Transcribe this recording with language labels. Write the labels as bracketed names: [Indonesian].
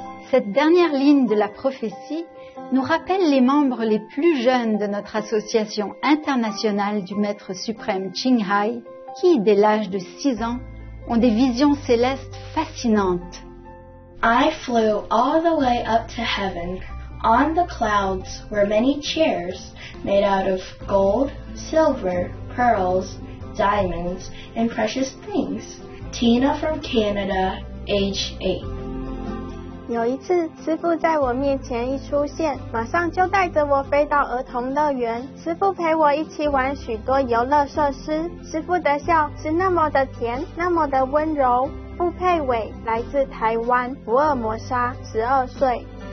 [French] Cette dernière ligne de la prophétie nous rappelle les membres les plus jeunes de notre association internationale du Maître suprême Qinghai, qui, dès l'âge de 6 ans, ont des visions célestes fascinantes. [English] I flew all the way up to heaven. On the clouds were many chairs made out of gold, silver, pearls, diamonds, and precious things. Tina from Canada, age 8. [Chinese] 有一次，师父在我面前一出现，马上就带着我飞到儿童乐园。师父陪我一起玩许多游乐设施。师父的笑是那么的甜，那么的温柔。傅佩伟来自台湾，福尔摩沙，12岁。